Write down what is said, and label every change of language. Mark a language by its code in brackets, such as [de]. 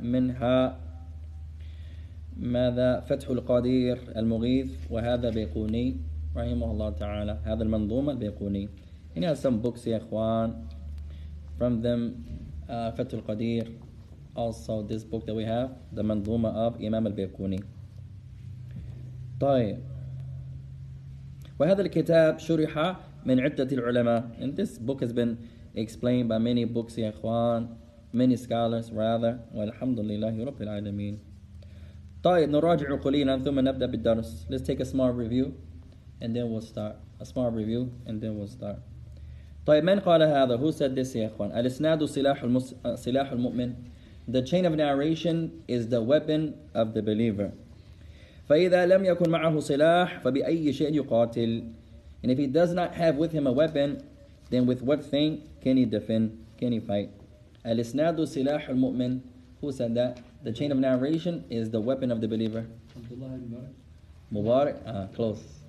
[ar] منها ماذا فتح القدير المغيث وهذا بيقوني رحمه الله تعالى هذا المنظومة البيقوني. [en] And he has some books, [ar] يا إخوان. [en] From them, Fath al-Qadir, also this book that we have, the Manzuma of Imam al-Bayquni. [ar] طيب. وهذا الكتاب شرح من عدة العلماء. [en] And this book has been explained by many books, [ar] يا إخوان, [en] many scholars rather. [ar] والحمد لله رب العالمين. طيب نراجع قليلا ثم نبدأ بالدرس. [en] Let's take a small review, and then we'll start. A small review, and then we'll start. [ar] طيب من قال هذا؟ [en] Who said this, [ar] يا إخوان؟ الإسناد سلاح المؤمن. [en] The chain of narration is the weapon of the believer. [ar] فإذا لم يكن معه سلاح فبأي شيء يقاتل. [en] And if he does not have with him a weapon, then with what thing can he defend? Can he fight? [ar] الإسناد سلاح المؤمن. [en] Who said that? The chain of narration is the weapon of the believer. Mubarak. Close.